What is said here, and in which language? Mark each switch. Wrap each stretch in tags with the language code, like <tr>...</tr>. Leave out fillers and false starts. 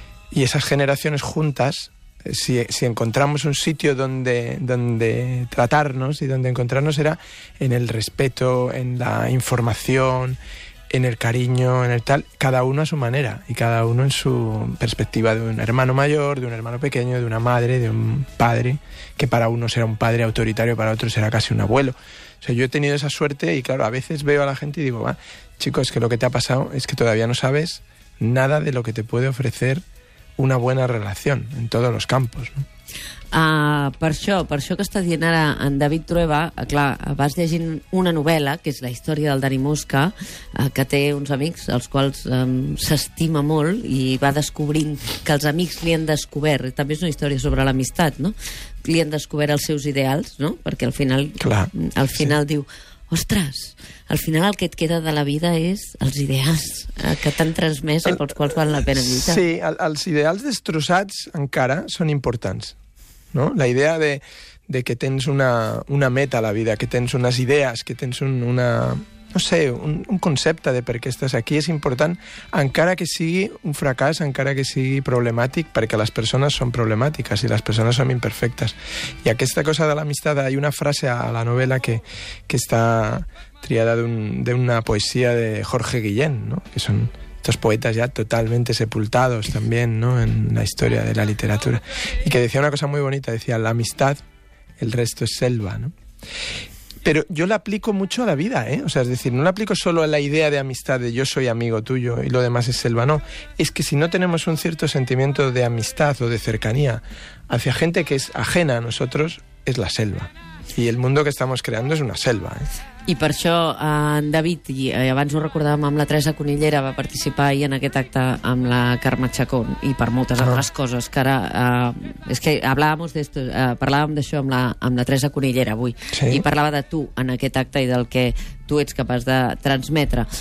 <es>Y esas generaciones juntas, si encontramos un sitio donde tratarnos y donde encontrarnos, era en el respeto, en la información, en el cariño, en el tal, cada uno a su manera y cada uno en su perspectiva, de un hermano mayor, de un hermano pequeño, de una madre, de un padre, que para unos era un padre autoritario, para otros era casi un abuelo. O sea, yo he tenido esa suerte y, claro, a veces veo a la gente y digo, va, chicos, que lo que te ha pasado es que todavía no sabes nada de lo que te puede ofrecer una buena relación en todos los campos, ¿no?</es> <ca>Per això que està dient ara en David Trueba, clar, vas llegint una novel·la, que és la història del Dani Mosca, que té uns amics als quals s'estima molt i va descobrint que els amics li han descobert, també és una història sobre l'amistat, no? Li han descobert els seus ideals, no? Perquè al final, clar, al final sí. Diu, ostres, al final el que et queda de la vida és els ideals que t'han transmès i pels quals val la pena lluitar. Sí, els ideals destrossats encara són importants, ¿no? La idea de que tens una meta a la vida, que tens unes idees, que tens un concepte de per què estàs aquí és important, encara que sigui un fracàs, encara que sigui problemàtic, perquè les persones són problemàtiques i les persones són imperfectes. I aquesta cosa de l'amistat, hi ha una frase a la novel·la que està triada d'una poesia de Jorge Guillén, ¿no?</ca> <es>Que són estos poetas ya totalmente sepultados también, ¿no?, en la historia de la literatura, y que decía una cosa muy bonita, decía, la amistad, el resto es selva, ¿no? Pero yo la aplico mucho a la vida, ¿eh? O sea, es decir, no la aplico solo a la idea de amistad, de yo soy amigo tuyo y lo demás es selva, no. Es que si no tenemos un cierto sentimiento de amistad o de cercanía hacia gente que es ajena a nosotros, es la selva. Y el mundo que estamos creando es una selva, ¿eh?</es> <ca>I per això en David, i abans ho recordàvem amb la Teresa Cunillera, va participar ahir en aquest acte amb la Carme Chacón, i per moltes altres coses que ara... És que parlàvem d'això amb la Teresa Cunillera avui, sí. I parlava de tu en aquest acte i del que tu ets capaç de transmetre.</ca>